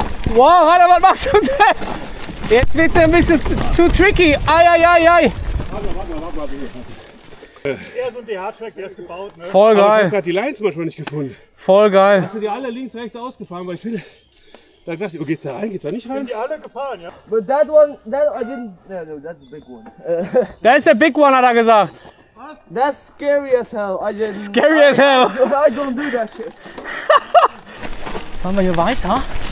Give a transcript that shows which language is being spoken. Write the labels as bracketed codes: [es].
[de] Wow, Radar, was machst du denn? Jetzt wird's ein bisschen zu tricky. Ei, ei, ei, ei. Warte mal. Eher so ein DH-Track, der ist gebaut, ne? Voll geil. Aber ich hab grad die Lines manchmal nicht gefunden. Voll geil. Hast du die alle links, rechts ausgefahren? Weil ich finde, da dachte ich, oh, geht's da rein? Geht's da nicht rein? Sind die alle gefahren, ja? [en] But that one, no, that's a big one. That's a big one, [de] hat er gesagt. [en] Was? That's scary as hell. Scary as hell. I don't do that shit. [de] Fahren wir hier weiter?